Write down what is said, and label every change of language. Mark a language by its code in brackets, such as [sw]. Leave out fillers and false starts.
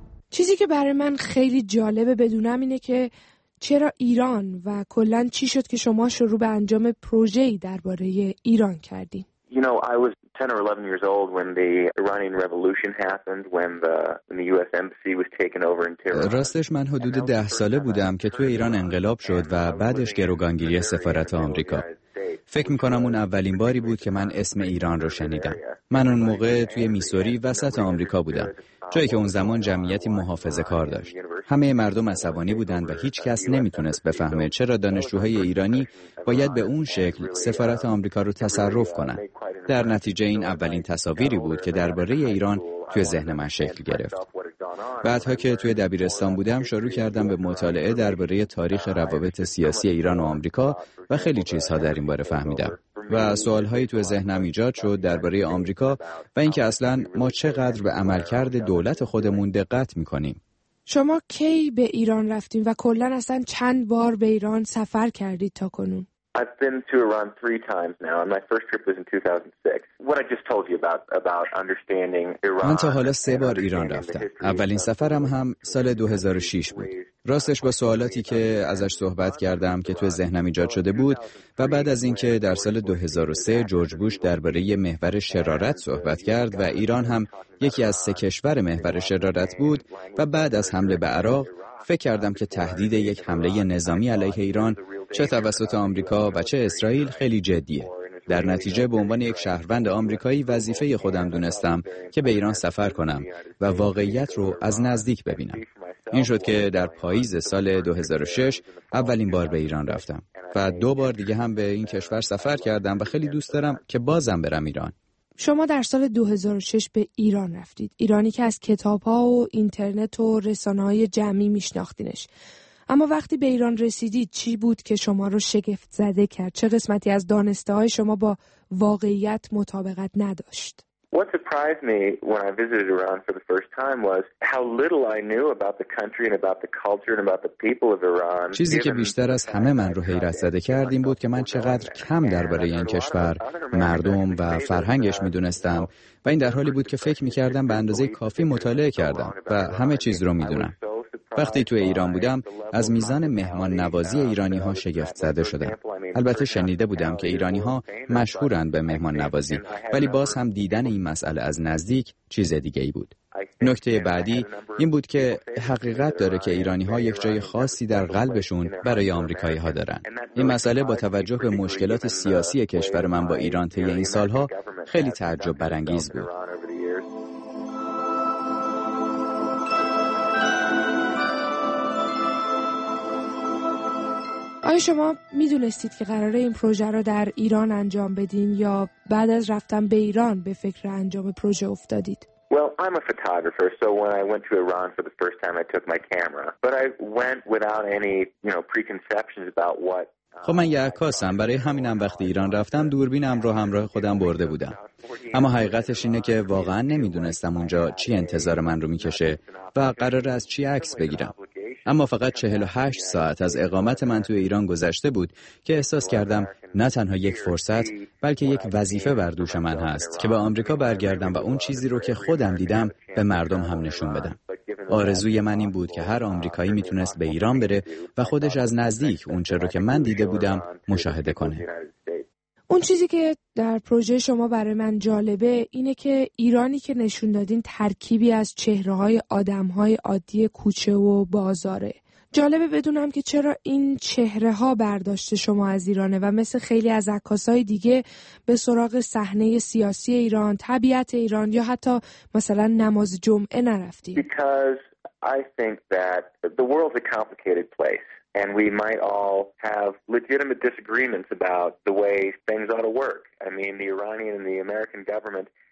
[fa] چیزی که برای من خیلی جالبه بدونم اینه که چرا ایران و کلن چی شد که شما شروع به انجام پروژه‌ای درباره ایران کردین؟ [en] You know, I was 10 or 11 years old when the Iranian revolution happened, when the US embassy was taken over in Tehran. [fa] راستش من حدود 10 ساله بودم که تو ایران انقلاب شد و بعدش گروگانگیری سفارت آمریکا. فکر میکنم اون اولین باری بود که من اسم ایران رو شنیدم. من اون موقع توی میسوری وسط آمریکا بودم، جایی که اون زمان جمعیتی محافظه‌کار داشت. همه مردم عصبانی بودن و هیچ کس نمیتونست بفهمه چرا دانشجوهای ایرانی باید به اون شکل سفارت آمریکا رو تصرف کنن. در نتیجه این اولین تصاویری بود که درباره ایران توی ذهن من شکل گرفت. بعدها که توی دبیرستان بودم شروع کردم به مطالعه درباره تاریخ روابط سیاسی ایران و آمریکا و خیلی چیزها در این باره فهمیدم و سوالهایی توی ذهنم ایجاد شد درباره آمریکا و اینکه اصلا ما چقدر به عملکرد دولت خودمون دقت میکنیم. شما کی به ایران رفتیم و کلن اصلا چند بار به ایران سفر کردید تا کنون؟ [en] I've been to Iran 3 times now and my first trip was in 2006. What I just told you about understanding Iran. [fa] من تا حالا 3 بار ایران رفتم. اولین سفرم هم سال 2006 بود. راستش با سوالاتی که ازش صحبت کردم که تو ذهنم ایجاد شده بود و بعد از اینکه در سال 2003 جورج بوش درباره محور شرارت صحبت کرد و ایران هم یکی از 3 کشور محور شرارت بود و بعد از حمله به عراق فکر کردم که تهدید یک حمله نظامی علیه ایران چه توسط آمریکا و چه اسرائیل خیلی جدیه. در نتیجه به عنوان یک شهروند آمریکایی وظیفه خودم دونستم که به ایران سفر کنم و واقعیت رو از نزدیک ببینم. این شد که در پاییز سال 2006 اولین بار به ایران رفتم و 2 بار دیگه هم به این کشور سفر کردم و خیلی دوست دارم که بازم برم ایران. شما در سال 2006 به ایران رفتید، ایرانی که از کتاب‌ها و اینترنت و رسانه‌های جمعی می‌شناختینش. اما وقتی به ایران رسیدید چی بود که شما رو شگفت زده کرد؟ چه قسمتی از دانسته‌های شما با واقعیت مطابقت نداشت؟ [en] What surprised me when I visited Iran for the first time was how little I knew about the country and about the culture and about the people of Iran. [fa] چیزی که بیشتر از همه من رو حیرت زده کرد این بود که من چقدر کم درباره این کشور، مردم و فرهنگش می‌دونستم و این در حالی بود که فکر می‌کردم به اندازه کافی مطالعه کردم و همه چیز رو می‌دونم. وقتی تو ایران بودم از میزان مهمان نوازی ایرانی‌ها شگفت زده شدم. البته شنیده بودم که ایرانی‌ها مشهورند به مهمان نوازی، ولی باز هم دیدن این مسئله از نزدیک چیز دیگه‌ای بود. نکته بعدی این بود که حقیقت داره که ایرانی‌ها یک جای خاصی در قلبشون برای آمریکایی‌ها دارن. این مسئله با توجه به مشکلات سیاسی کشور من با ایران طی این سال‌ها خیلی تعجب برانگیز بود. آیا شما می دونستید که قراره این پروژه را در ایران انجام بدین یا بعد از رفتن به ایران به فکر انجام پروژه افتادید؟ [en] Well, I'm a photographer, so when I went to Iran for the first time, I took my camera. But I went without any, you know, preconceptions about what. [fa] خب من یه عکاسم، برای همینم وقتی ایران رفتم دوربینم رو همراه خودم برده بودم. اما حقیقتش اینه که واقعا نمیدونستم اونجا چی انتظار من رو میکشه و قراره از چی عکس بگیرم. اما فقط 48 ساعت از اقامت من توی ایران گذشته بود که احساس کردم نه تنها یک فرصت بلکه یک وظیفه بر دوش من هست که به آمریکا برگردم و اون چیزی رو که خودم دیدم به مردم هم نشون بدم. آرزوی من این بود که هر آمریکایی میتونست به ایران بره و خودش از نزدیک اونچه رو که من دیده بودم مشاهده کنه. اون چیزی که در پروژه شما برای من جالبه اینه که ایرانی که نشون دادین ترکیبی از چهره‌های آدم‌های عادی کوچه و بازاره. جالبه بدونم که چرا این چهره‌ها برداشت شما از ایرانه و مثل خیلی از عکاسای دیگه به سراغ صحنه سیاسی ایران، طبیعت ایران یا حتی مثلا نماز جمعه نرفتید. [en] Because I think that the world's a complicated place and we might all have legitimate disagreements about the way things ought to work. I mean the Iranian and the American government.